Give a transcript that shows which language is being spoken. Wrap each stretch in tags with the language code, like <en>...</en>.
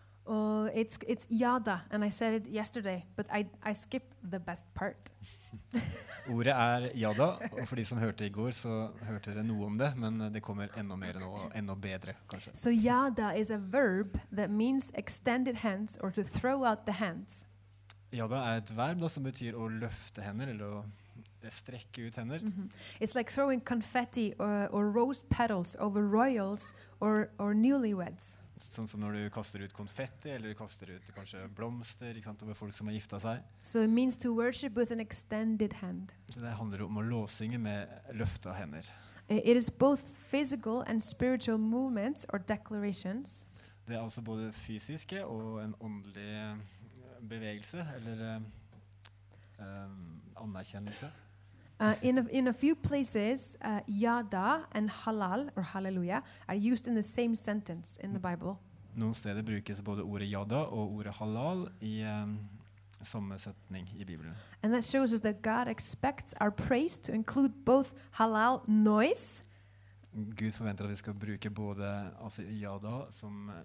<en>Og it's yada, and I said it yesterday, but I skipped the best part.</en> <no>Ordet yada, og for de som hørte i går, så hørte dere noe om det, men det kommer enda mer nå, og enda bedre, kanskje.</no> <en>So yada is a verb that means extended hands or to throw out the hands.</en> <no>Yada et verb da, som betyr å løfte hender, eller å strekke ut hender. Mm-hmm.</no> <en>It's like throwing confetti or rose petals over royals or newlyweds.</en> <no>Sånn som når du kaster ut konfetti eller du kaster ut kanskje blomster, ikke sant, over folk som har gifta seg.</no> <en>So it means to worship with an extended hand.</en> <no>Så det handler om å lovsynge med løfta hender.</no> <en>It is both physical and spiritual movements or declarations.</en> <no>Det altså både fysiske og en åndelig bevegelse eller anerkjennelse.</no> <en>In a few places, yada and halal or hallelujah are used in the same sentence in the Bible.</en> <no>Noen steder brukes både ordet yada og ordet halal I samme setning I Bibelen.</no> <en>And that shows us that God expects our praise to include both halal noise.</en> <no>Gud forventer at vi skal bruke både altså yada som</no>